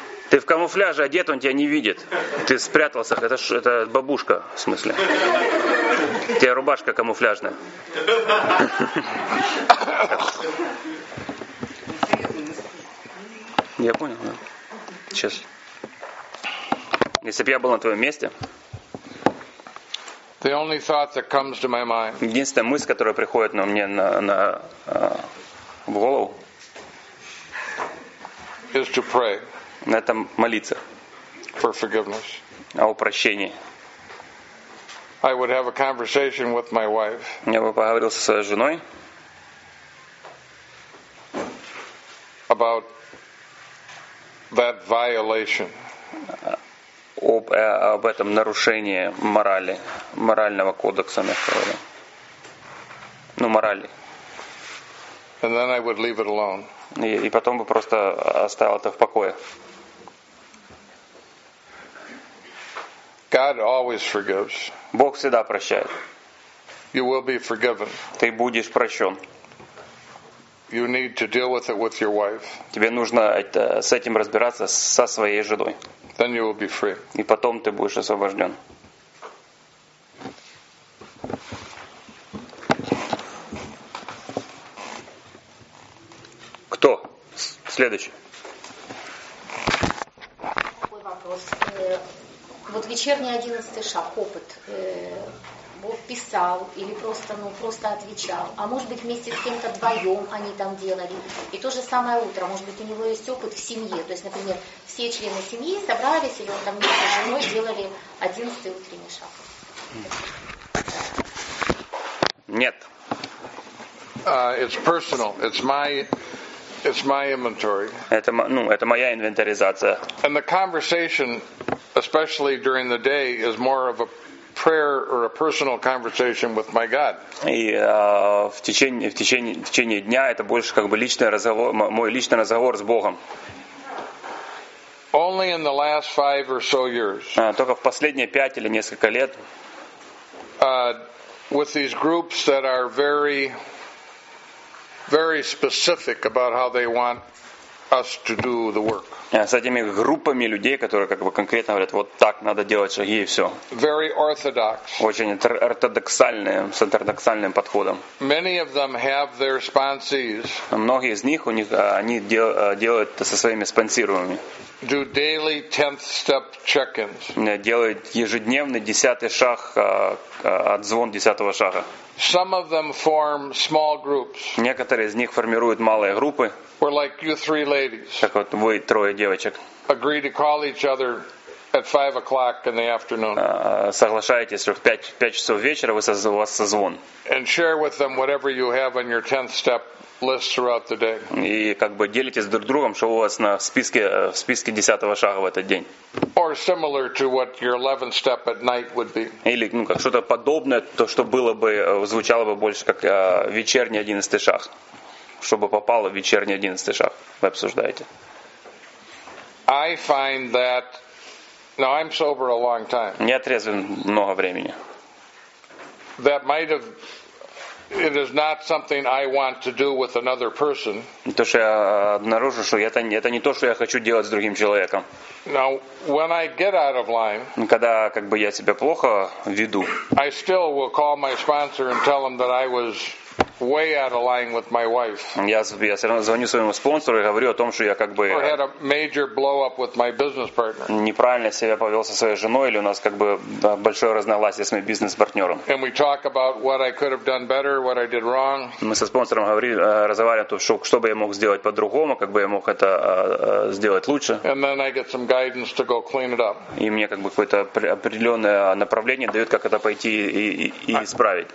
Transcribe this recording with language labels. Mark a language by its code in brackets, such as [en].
[ru] Ты в камуфляже одет, он тебя не видит. Ты спрятался. Это бабушка, в смысле. У тебя рубашка камуфляжная. Я понял, да. Сейчас. Если бы я был на твоем месте. [en] The only thought that comes to my mind. [ru] Единственная мысль, которая приходит мне в голову. [en] Is to pray. [ru] На этом молиться. [en] For forgiveness. [ru] О прощении. [en] I would have a conversation with my wife. [ru] Я бы поговорил со своей женой. [en] About that violation. [ru] Об этом нарушении морали, морального кодекса, наверное. Ну, морали. [en] And then I would leave it alone. [ru] И потом бы просто оставил это в покое. [en] God always forgives. [ru] Бог всегда прощает. [en] You will be forgiven. [ru] Ты будешь прощен. [en] You need to deal with it with your wife. [ru] Тебе нужно с этим разбираться со своей женой. [en] Then you will be free. [ru] И потом ты будешь освобожден. Кто? Следующий. Какой вопрос? Вот вечерний 11-й шаг, опыт, Бог писал или просто отвечал, а может быть вместе с кем-то вдвоем они там делали. И то же самое утро, может быть у него есть опыт в семье, то есть, например, все члены семьи собрались, или он там вместе с женой делали 11-й утренний шаг. Нет. [en] It's personal, it's my... It's my inventory. [ru] Это моя инвентаризация. [en] And the conversation, especially during the day, is more of a prayer or a personal conversation with my God. [ru] И в течение дня это больше как бы личный разговор, мой личный разговор с Богом. [en] Only in the last five or so years. [ru] Только в последние 5 или несколько лет. [en] With these groups that are very very specific about how they want us to do the work. [ru] С этими группами людей, которые как бы конкретно говорят, вот так надо делать шаги и все. [en] Very orthodox. [ru] Очень ортодоксальным подходом. [en] Many of them have their sponsees. [ru] Многие из них делают это со своими спонсируемыми. [en] Do daily 10th step check-ins. [ru] Делают ежедневный 10-й шаг, отзвон 10-го шага. [en] Some of them form small groups. [ru] Некоторые из них формируют малые группы. [en] We're like you three ladies. [ru] Как вот вы трое девочек. [en] Agree to call each other at 5 o'clock in the afternoon. [ru] Соглашаетесь, что в 5 часов вечера у вас созвон. [en] And share with them whatever you have on your 10th step list throughout the day. [ru] И как бы делитесь друг другом, что у вас на списке, в списке 10-го шага в этот день. [en] Or similar to what your 11th step at night would be. [ru] Или, ну, как что-то подобное, то, что было бы, звучало бы больше как вечерний 11-й шаг. Чтобы попало в вечерний 11-й шаг. Вы обсуждаете. [en] I find that now I'm sober a long time. [ru] Я трезвен много времени. [en] That might have it is not something I want to do with another person. [ru] То, что я обнаружил, что это не то, что я хочу делать с другим человеком. [en] Now, when I get out of line, [ru] когда как бы я себя плохо веду, [en] I still will call my sponsor and tell him that I was way out of line with my wife. [ru] Я все равно звоню своему спонсору и говорю о том, что я как бы [en] or had a major blow up with my business partner. [ru] Неправильно себя повел со своей женой или у нас как бы большое разногласие с моим бизнес-партнером. [en] And we talk about what I could have done better, what I did wrong. [ru] Мы со спонсором говорили, разговаривали о том, что бы я мог сделать по-другому, как бы я мог это сделать лучше. [en] And then I get some guidance to go clean it up. [ru] И мне как бы какое-то определенное направление дает, как это пойти и исправить.